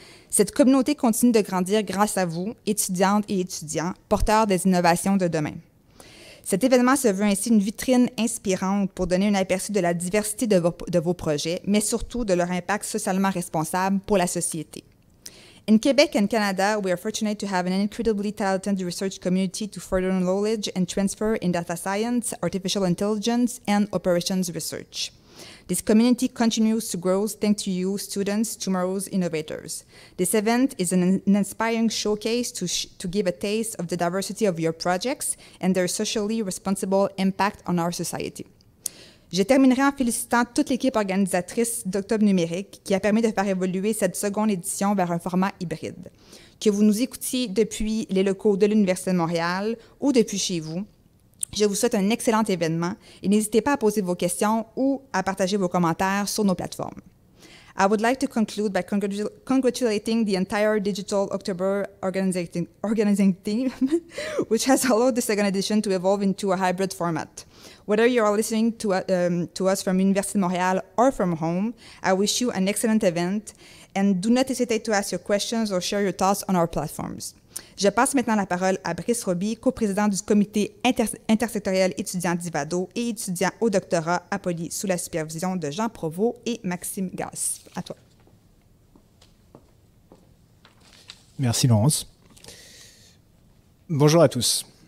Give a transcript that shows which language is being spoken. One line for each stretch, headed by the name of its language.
French: Cette communauté continue de grandir grâce à vous, étudiantes et étudiants, porteurs des innovations de demain. Cet événement se veut ainsi une vitrine inspirante pour donner un aperçu de la diversité de vos projets, mais surtout de leur impact socialement responsable pour la société.
English: In Quebec and Canada, we are fortunate to have an incredibly talented research community to further knowledge and transfer in data science, artificial intelligence, and operations research. This community continues to grow thanks to you, students, tomorrow's innovators. This event is an inspiring showcase to give a taste of the diversity of your projects and their socially responsible impact on our society.
French: Je terminerai en félicitant toute l'équipe organisatrice d'Octobre numérique qui a permis de faire évoluer cette seconde édition vers un format hybride. Que vous nous écoutiez depuis les locaux de l'Université de Montréal ou depuis chez vous, je vous souhaite un excellent événement et n'hésitez pas à poser vos questions ou à partager vos commentaires sur nos plateformes.
English: I would like to conclude by congratulating the entire Digital October organizing team, which has allowed the second edition to evolve into a hybrid format. Whether you are listening to us from Université de Montréal or from home, I wish you an excellent event and do not hesitate to ask your questions or share your thoughts on our platforms.
French: Je passe maintenant la parole à Brice Roby, co-président du comité intersectoriel étudiant d'IVADO et étudiant au doctorat à Poly sous la supervision de Jean Provost et Maxime Gasse. À toi. Merci Laurence. Bonjour à tous.